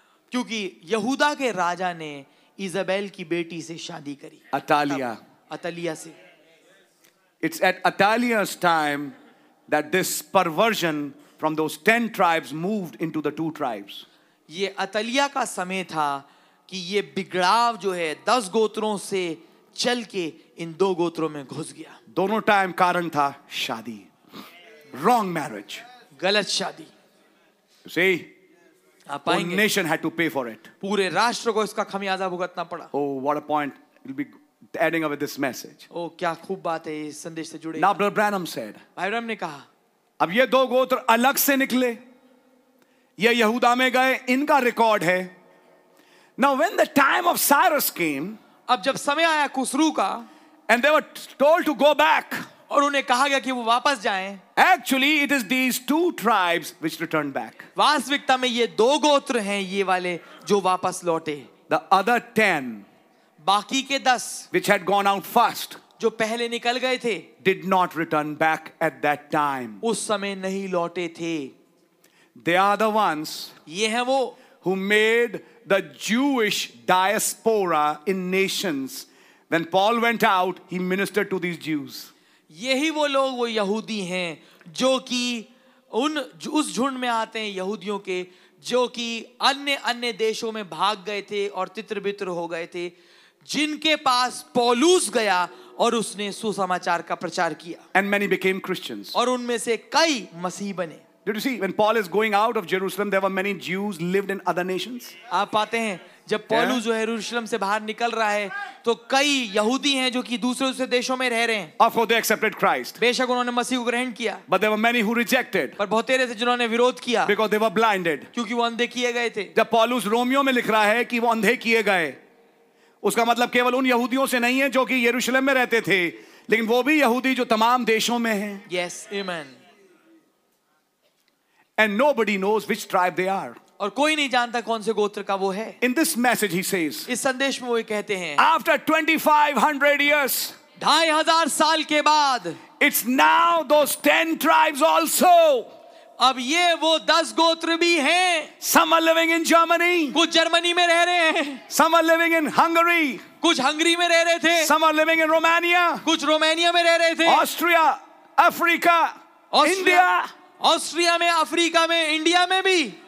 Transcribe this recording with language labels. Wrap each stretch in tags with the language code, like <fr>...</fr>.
<hi>क्योंकि यहूदा के राजा ने इजाबेल की बेटी से शादी करी, अतालिया. अतालिया से.</hi> <en>It's at Athaliah's time that this perversion from those 10 tribes moved into the 2 tribes.</en> <hi>ये अतालिया का समय था कि ये बिगड़ाव जो है 10 गोत्रों से चल के इन 2 गोत्रों में घुस गया. दोनों टाइम कारण था शादी.</hi> <en>Wrong marriage.</en> <hi>गलत शादी.</hi> <en>See?</en> <hi>आप पाएंगे.</hi> <en>One nation had to pay for it.</en> <hi>पूरे राष्ट्र को इसका खमियाजा भुगतना पड़ा.</hi> <en>Oh, what a point. It'll be adding up with this message.</en> <hi>Oh, क्या खूब बात है इस संदेश से जुड़े.</hi> <en>Now Brother Branham said.</en> <hi>भाई ब्रह्म ने कहा. अब ये दो गोत्र अलग से निकले. ये यहूदा में गए. इनका रिकॉर्ड है.</hi> <en>Now when the time of Cyrus came.</en> <hi>अब जब समय आया कुसरू का.</hi> <en>And they were told to go back.</en> <hi>और उन्हें कहा गया कि वो वापस जाएं.</hi> <en>Actually, it is these 2 tribes which returned back.</en> <hi>वास्तविकता में ये दो गोत्र हैं ये वाले जो वापस लौटे.</hi> <en>The other 10.</en> <hi>बाकी के 10</hi> <en>which had gone out first,</en> <hi>जो पहले निकल गए थे,</hi> <en>did not return back at that time.</en> <hi>उस समय नहीं लौटे थे.</hi> <en>They are the ones,</en> <hi>ये हैं वो,</hi> <en>who made the Jewish diaspora in nations. When Paul went out, he ministered to these Jews.</en> <hi>यही वो लोग, वो यहूदी हैं जो कि उन उस झुंड में आते हैं यहूदियों के जो कि अन्य अन्य देशों में भाग गए थे और तितर बितर हो गए थे, जिनके पास पौलुस गया और उसने सुसमाचार का प्रचार किया.</hi> <en>And many became Christians.</en> <hi>और उनमें से कई मसीह बने.</hi> <en>Did you see when Paul is going out of Jerusalem, there were many Jews lived in other nations?</en> <hi>आप पाते हैं जब पौलुस जो है यरूशलेम से बाहर निकल रहा है तो कई यहूदी हैं जो कि दूसरे दूसरे देशों में रह रहे हैं.</hi> <en>Of course, they accepted Christ.</en> <hi>बेशक उन्होंने मसीह को ग्रहण किया.</hi> <en>But there were many who rejected.</en> <hi>पर बहुत सारे थे जिन्होंने विरोध किया.</hi> <en>Because they were blinded.</en> <hi>क्योंकि वो अंधे किए गए थे. जब पौलुस रोमियो में लिख रहा है कि वो अंधे किए गए, उसका मतलब केवल उन यहूदियों से नहीं है जो कि यरूशलेम में रहते थे, लेकिन वो भी यहूदी जो तमाम देशों में है.</hi> <en>Yes, amen. And nobody knows which tribe they are.</en> <hi>और कोई नहीं जानता कौन से गोत्र का वो है.</hi> <en>In this message he says,</en> <hi>इस संदेश में वो कहते हैं,</hi> <en>After 2500 years,</en> <hi>2500 साल के बाद,</hi> <en>it's now those 10 tribes also.</en> <hi>अब ये वो 10 गोत्र भी हैं.</hi> <en>Some are living in Germany.</en> <hi>कुछ जर्मनी में रह रहे हैं.</hi> <en>Some are living in Hungary.</en> <hi>कुछ हंगरी में रह रहे थे.</hi> <en>Some are living in Romania.</en> <hi>कुछ रोमानिया में रह रहे थे.</hi> <en>Austria, Africa, India.</en> <hi>ऑस्ट्रिया में, अफ्रीका में, इंडिया में भी.</hi>